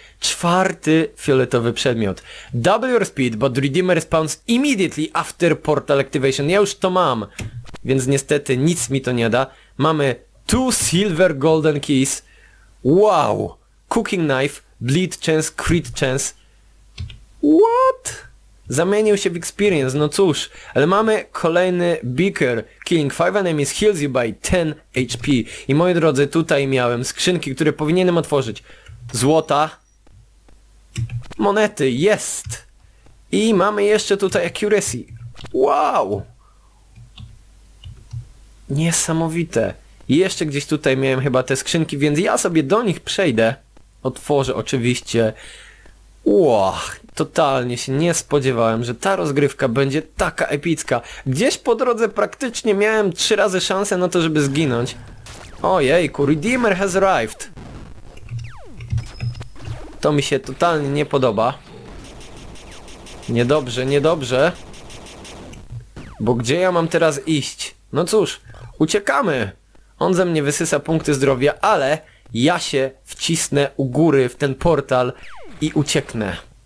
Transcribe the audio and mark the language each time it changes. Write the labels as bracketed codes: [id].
[pl] Czwarty fioletowy przedmiot. [en] Double your speed, but Redeemer spawns immediately after portal activation. [pl] Ja już to mam. Więc niestety nic mi to nie da. Mamy... [en] 2 silver golden keys. Wow! Cooking knife, bleed chance, crit chance. What? [pl] Zamienił się w experience, no cóż. Ale mamy kolejny beaker. [en] Killing 5 enemies heals you by 10 HP. [pl] I moi drodzy, tutaj miałem skrzynki, które powinienem otworzyć. Złota. Monety, jest! I mamy jeszcze tutaj accuracy. Wow! Niesamowite. I jeszcze gdzieś tutaj miałem chyba te skrzynki, więc ja sobie do nich przejdę. Otworzę oczywiście. Wow! Totalnie się nie spodziewałem, że ta rozgrywka będzie taka epicka. Gdzieś po drodze praktycznie miałem 3 razy szansę na to, żeby zginąć. [en] Ojejku, Redeemer has arrived. [pl] To mi się totalnie nie podoba. Niedobrze, niedobrze. Bo gdzie ja mam teraz iść? No cóż, uciekamy. On ze mnie wysysa punkty zdrowia, ale ja się wcisnę u góry w ten portal i ucieknę.